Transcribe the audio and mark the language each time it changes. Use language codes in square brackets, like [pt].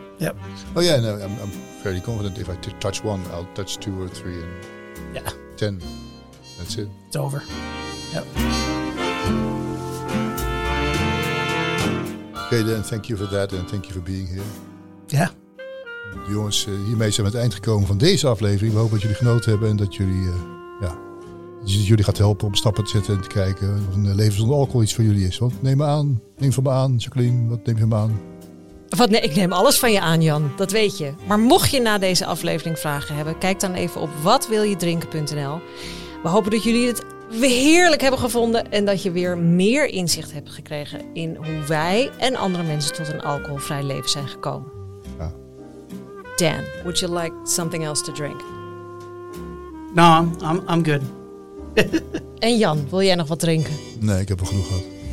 [en] Yep. Oh, yeah. No, I'm fairly confident. If I touch one, I'll touch two or three and 10. That's it. It's over. Yep. Okay, then. Thank you for that. And thank you for being here. Yeah. [nl] Jongens, hiermee zijn we aan het eind gekomen van deze aflevering. We hopen dat jullie genoten hebben en dat jullie, jullie gaat helpen om stappen te zetten en te kijken of een leven zonder alcohol iets voor jullie is. Want neem van me aan, Jacqueline, wat neem je van me aan? Ik neem alles van je aan, Jan, dat weet je. Maar mocht je na deze aflevering vragen hebben, kijk dan even op watwiljedrinken.nl. We hopen dat jullie het heerlijk hebben gevonden en dat je weer meer inzicht hebt gekregen in hoe wij en andere mensen tot een alcoholvrij leven zijn gekomen. [en] Dan, would you like something else to drink? No, I'm good. [nl] En Jan, wil jij nog wat drinken? Nee, ik heb al genoeg gehad.